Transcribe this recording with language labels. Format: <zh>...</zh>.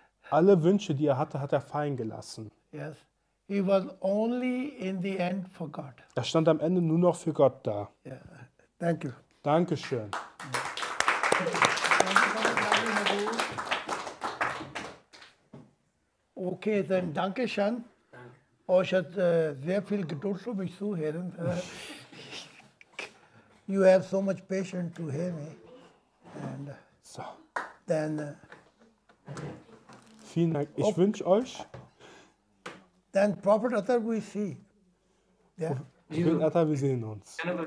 <de>Alle Wünsche, die er hatte, hat er fallen gelassen.</de> <en>Yes. He was only in the end for God.</en> <de>Er stand am Ende nur noch für Gott da.</de> <en>Yeah. Thank you.</en> <de>Dankeschön. Okay, dann danke schön. Euch hat sehr viel Geduld für mich zuhören.</de> <en>You have so much patience to hear me. And so. Then,</en> <de>vielen Dank. Ich wünsche euch.</de> <en>Then Prophet Atta, we see. Yeah.</en> <de>Prophet Atta, wir sehen uns.</de>